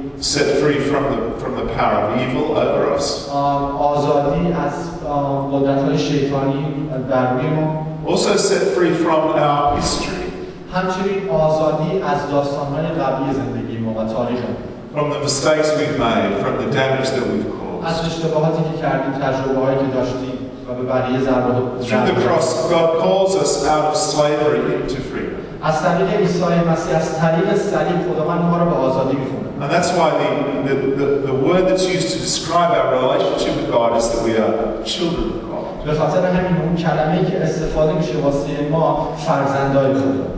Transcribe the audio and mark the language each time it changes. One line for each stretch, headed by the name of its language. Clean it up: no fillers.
English: Set free from the power of evil over us.
Persian: آزادی از قدرت‌های شیطانی در روی ما.
English: Also set free from our history.
Persian: همچنین آزادی از داستان‌های قبلی زندگی ما و تاریخ ما.
English: From the mistakes we've made, from the damage that we've caused.
Persian: از اشتباهاتی که کردیم، تجربه‌هایی که داشتیم و به بقیه ضربه زدیم.
English: Through the cross, God calls us out of slavery into freedom.
Persian: از طریق عیسی مسیح، از طریق صلیب خداوند ما را به آزادی می‌کند.
English: And that's why the word that's used to describe our relationship with God is that we are children of God.
Persian: به خاطر همین اون کلمه‌ای که استفاده میشه واسه ما فرزندای خدا.